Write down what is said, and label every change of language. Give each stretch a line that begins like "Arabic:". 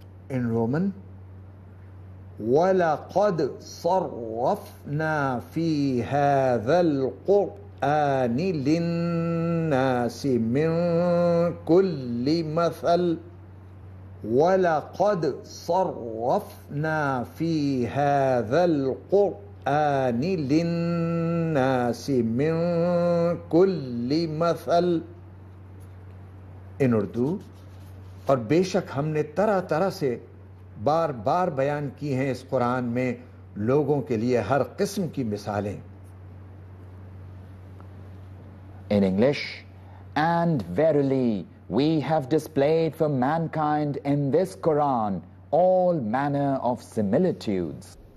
English: In Roman,
Arabic: وَلَقَدْ صَرَّفْنَا فِي هَذَا الْقُرْآنِ آن للناس من كل مثل ولقد صرفنا في هذا القرآن للناس من كل مثل.
English: In Urdu,
Urdu: اور بے شک ہم نے طرح طرح سے بار بار بیان کی ہیں اس قرآن میں لوگوں کے لیے ہر قسم کی مثالیں.
English: In English, and verily we have displayed for mankind in this Quran all manner of similitudes.